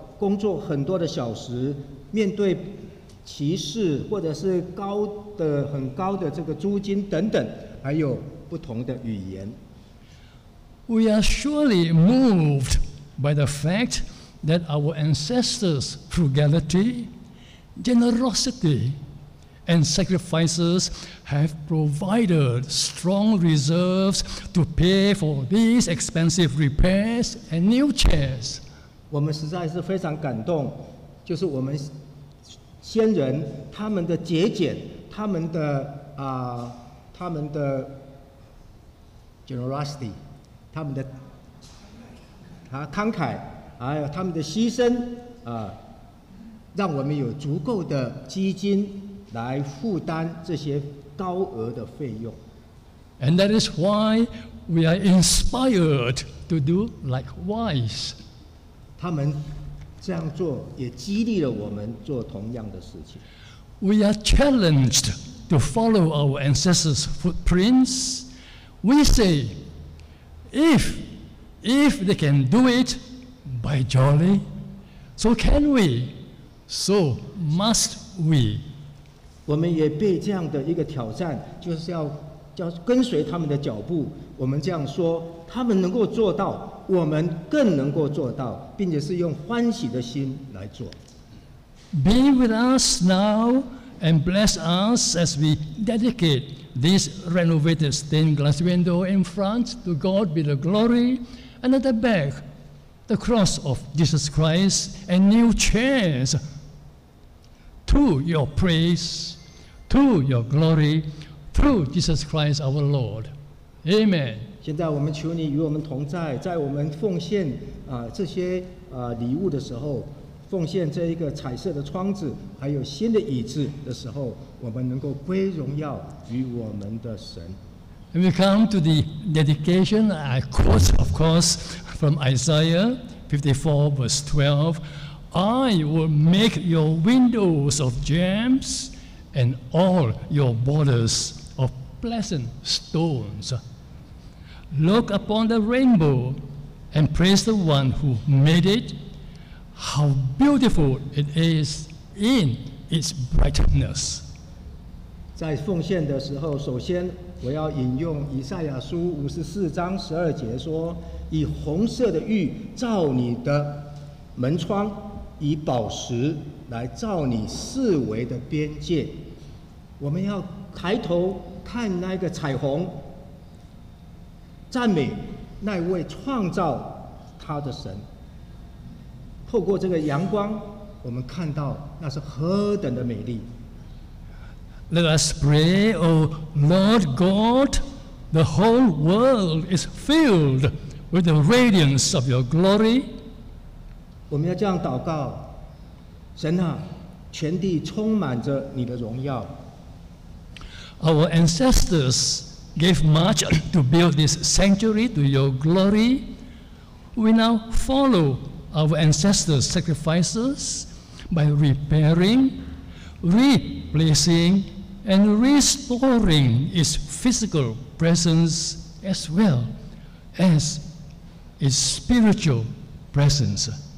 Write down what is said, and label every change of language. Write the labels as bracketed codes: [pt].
[zh] 工作很多的小时，面对歧视或者是高的很高的这个租金等等，还有不同的语言。 [en] We are surely moved by the fact that our ancestors' frugality, generosity, and sacrifices have provided strong reserves to pay for these expensive repairs and new chairs. [zh] 我们实在是非常感动，就是我们先人他们的节俭，他们的他们的 generosity。他们的慷慨，还有他们的牺牲，让我们有足够的基金来负担这些高额的费用。 [en] And that is why we are inspired to do likewise. [zh] 他们这样做也激励了我们做同样的事情。 [en] We are challenged to follow our ancestors' footprints. We say,If they can do it, by jolly, so can we, so must we. [zh] 我们也被这样的一个挑战，就是要跟随他们的脚步。我们这样说，他们能够做到，我们更能够做到，并且是用欢喜的心来做。 [en] Be with us now and bless us as we dedicate. This renovated stained glass window in front, to God be the glory, and at the back, the cross of Jesus Christ and new chairs. To your praise, to your glory, through Jesus Christ our Lord. Amen. [zh] 现在我们求你与我们同在，在我们奉献这些礼物的时候，奉献这一个彩色的窗子，还有新的椅子的时候，我们能够归荣耀于我们的神。 [en] When we come to the dedication, I quote, of course, from Isaiah 54, verse 12, I will make your windows of gems and all your borders of pleasant stones. Look upon the rainbow and praise the one who made it. How beautiful it is in its brightness. [zh] 在奉献的时候，首先我要引用以赛亚书54:12说：“以红色的玉照你的门窗，以宝石来照你四围的边界。” 我们要抬头看那个彩虹，赞美那位创造他的神。透过这个阳光，我们看到那是何等的美丽。 [en] Let us pray, O Lord God, the whole world is filled with the radiance of your glory. [zh] 我们要这样祷告，神啊，全地充满着你的荣耀。 [en] Our ancestors gave much to build this sanctuary to your glory. We now follow our ancestors' sacrifices by repairing, replacing,and restoring its physical presence as well as its spiritual presence.